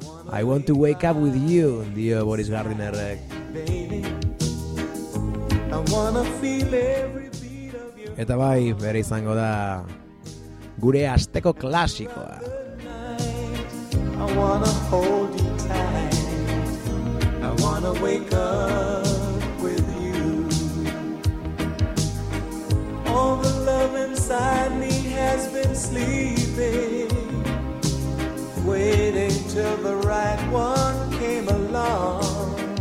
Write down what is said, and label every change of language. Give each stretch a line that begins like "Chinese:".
English: I want to wake up with you,
Basque: dio
English: Boris Gardinerrek. I wanna feel every.
Basque: Eta bai, bere izango da gure asteko klasikoa.
English: I wanna hold you tight. I wanna wake up with you. All the love inside me has been sleeping, waiting till the right one came along.